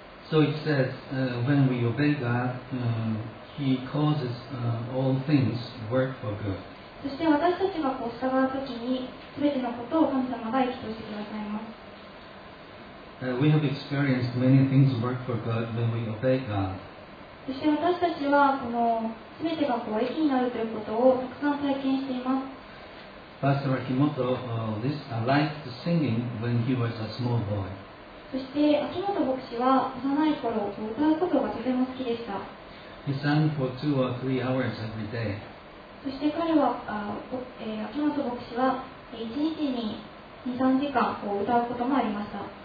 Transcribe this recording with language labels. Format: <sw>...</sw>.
<en>So it says, when we obey God, He causes, all things work for good.</en> <ja>そして私たちがこう従うときに、すべてのことを神様が益としてくださいます。</ja> <en>We have experienced many things work for good when we obey God.</en> <ja>そして私たちはこのすべてがこう益になるということをたくさん体験しています。</ja> <en>Pastor Akimoto, liked singing when he was a small boy.</en> <ja>そして秋元牧師は幼い頃歌うことがとても好きでした。</ja> <en>He sang for two or three hours every day.</en> <ja>そして彼は、秋元牧師は一日に二三時間こう歌うこともありました。</ja>